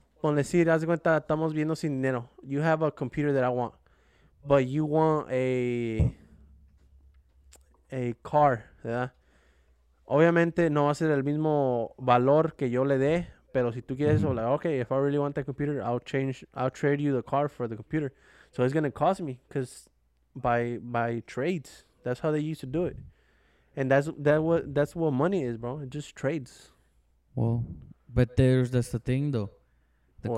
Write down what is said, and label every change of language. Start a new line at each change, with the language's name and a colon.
Spanish: Con decir, haz de cuenta, estamos viendo sin dinero.
English: You have a computer that I want, but you want a car,
Spanish: ¿verdad? Obviamente no va a ser el mismo valor que yo le dé, pero si tú quieres, mm-hmm.
English: like, okay, if I really want that computer, I'll trade you the car for the computer. So it's going to cost me, because by trades, that's how they used to do it. And that's what money is, bro. It's just trades. Well, but that's the thing, though. The what?